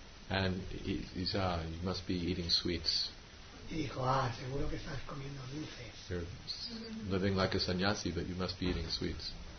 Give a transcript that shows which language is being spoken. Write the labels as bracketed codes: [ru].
[en] And he said, you must be eating sweets. [es] Y dijo, ah, seguro que estás comiendo dulces. [en] You're living like a sannyasi, but you must be eating sweets.